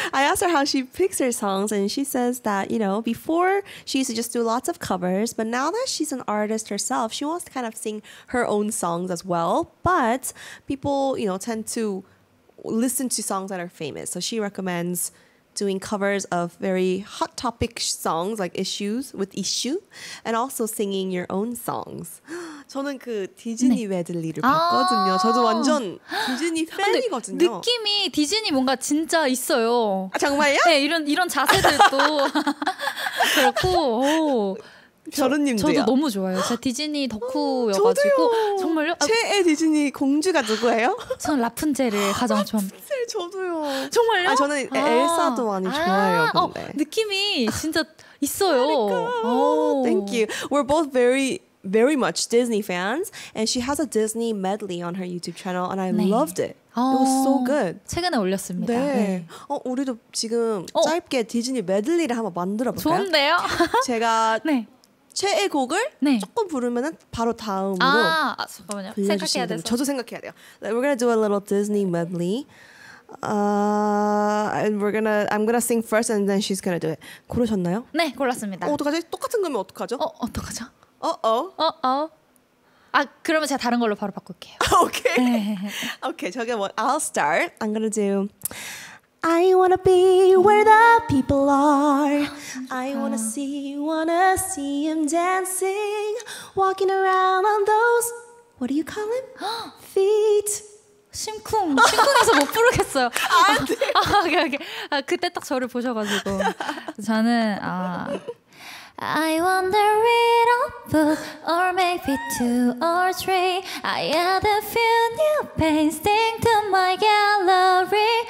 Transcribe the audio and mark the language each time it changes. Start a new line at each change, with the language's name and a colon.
English: I asked her how she picks her songs and she says that, you know, before she used to just do lots of covers, but now that she's an artist herself, she wants to kind of sing her own songs as well. But people, you know, tend to listen to songs that are famous. So she recommends doing covers of very hot topic songs like issues with issue and also singing your own songs.
Korean: 저는 그 디즈니 네. 메들리를 봤거든요. 아~ 저도 완전 디즈니 팬이거든요. 느낌이 디즈니 뭔가 진짜 있어요. 아, 정말요? 네, 이런 자세들도 그렇고 저른님도요. 저도 너무 좋아요. 제가 디즈니 덕후여가지고 정말요? 최애 디즈니 공주가 누구예요? 저는 라푼젤을 가장 좋아합니다. 라푼젤 저도요. 정말요? 아, 저는 엘사도 많이 좋아해요. 아~ 근데. 어, 느낌이 진짜 있어요. 그러니까.
English: Thank you. We're both very much Disney fans and she has a Disney medley on her YouTube channel and I
Korean: 네.
English: loved it. It was so good.
Korean: 최근에 올렸습니다. 네. 네. 어, 우리도 지금 어. 짧게 디즈니 메들리를 한번 만들어 볼까요? 좋은데요? 제가 네. 최애 곡을 네. 조금 부르면은 바로 다음으로 아, 아 잠깐만요. 생각해야 돼서. 저도 생각해야 돼요. Like, we're going to do a little Disney medley. And we're going to I'm going to sing first and then she's going to do it. 고르셨나요? 네, 골랐습니다. 어, 어떡하지? 똑같은 거면 어떡하죠? 어, 어떡하죠? 어어. 아, 그러면 제가 다른 걸로 바로 바꿀게요. 오케이. 오케이. 저게 뭐
English: I'll start. I'm going to do I want to be where the people are.
Korean: 아,
English: I want to see him dancing walking around on those what do you call him? feet.
Korean: 심쿵. 심쿵해서 못 부르겠어요. 안 돼. 아, 오케이, 오케이. 아, 그때 딱 저를 보셔 가지고 저는 아
English: I wonder it all book or maybe two or three. I add a few new paints to my gallery.